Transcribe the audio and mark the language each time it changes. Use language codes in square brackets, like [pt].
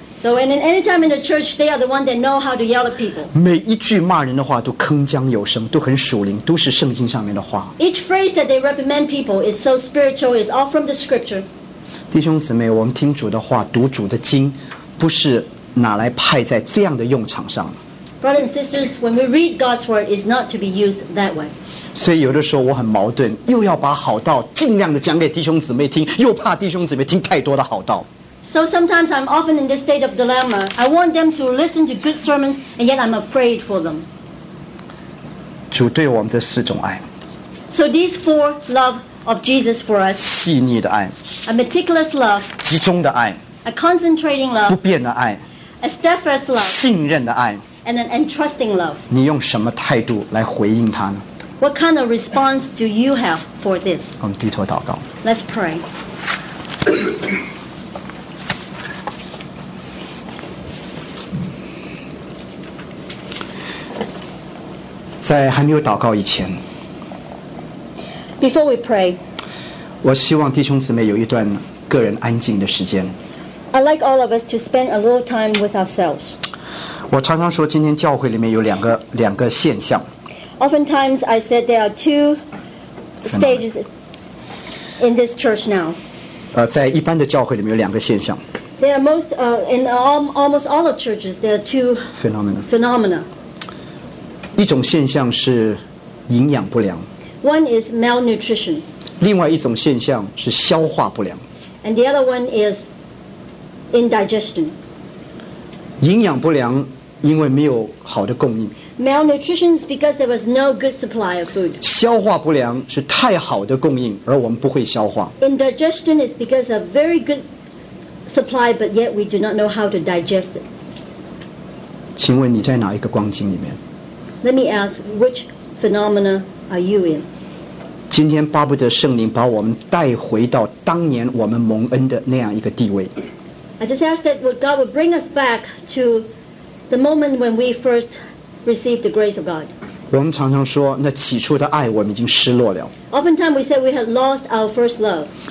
[en] So, and in any time in the church, they are the one that know how to yell at people. [zh] 每一句骂人的话都铿锵有声，都很属灵，都是圣经上面的话。 [en] Each phrase that they reprimand people is so spiritual, is all from the scripture. [zh] 弟兄姊妹，我们听主的话，读主的经，不是拿来派在这样的用场上。 [en] Brothers and sisters, when we read God's word, it's not to be used that way. [zh] 所以有的时候我很矛盾，又要把好道尽量的讲给弟兄姊妹听，又怕弟兄姊妹听太多的好道。 [en] So sometimes I'm often in this state of dilemma. I want them to listen to good sermons, and yet I'm afraid for them. [zh] 主对我们这四种爱。 [en] So these four love of Jesus for us. [zh] 细腻的爱。 [en] A meticulous love. [zh] 集中的爱。 [en] A concentrating love. [zh] 不变的爱。 [en] A steadfast love. [zh] 信任的爱。 [en] And an entrusting love. [zh] 你用什么态度来回应他呢？ [en] What kind of response do you have for this? [zh] 我们低头祷告。 [en] Let's pray. [zh] 在还没有祷告以前 [en] Before we pray, [zh] 我希望弟兄姊妹有一段个人安静的时间 [en] I'd like all of us to spend a little time with ourselves. [zh] 我常常说今天教会里面有两个现象。 [en] Oftentimes I said there are two stages in this church now. [zh] 在一般的教会里面有两个现象。 [en] There are almost all of churches, there are two phenomena. [zh] 一种现象是营养不良。 [en] One is malnutrition. [zh] 另外一种现象是消化不良。 [en] And the other one is indigestion. [zh] 营养不良因为没有好的供应。 [en] Malnutrition is because there was no good supply of food. [zh] 消化不良是太好的供应而我们不会消化。 [en] Indigestion is because of very good supply, but yet we do not know how to digest it. [zh] 请问你在哪一个光景里面？ [en] Let me ask, which phenomena are you in? [zh] 今天巴不得圣灵把我们带回到当年我们蒙恩的那样一个地位。 [en] I just ask that God would bring us back to the moment when we first received the grace of God. [zh] 我们常常说，那起初的爱我们已经失落了。 [en] Oftentimes we say we have lost our first love.